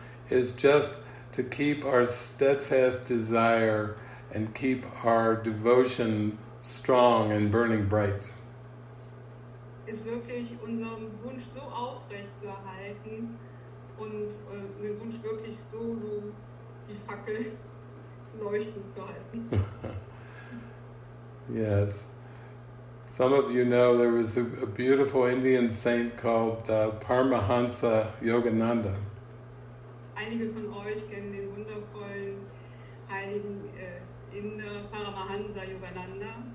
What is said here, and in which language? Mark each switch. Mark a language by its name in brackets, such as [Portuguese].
[English] is just to keep our steadfast desire and keep our devotion strong and burning bright. [German] Ist wirklich unseren Wunsch so aufrecht zu erhalten und den Wunsch wirklich so, so die Fackel leuchten zu halten. [English] Yes. Some of you know there was a beautiful Indian saint called Paramahansa Yogananda. [German] Einige von euch kennen den wundervollen heiligen Inder Paramahansa Yogananda.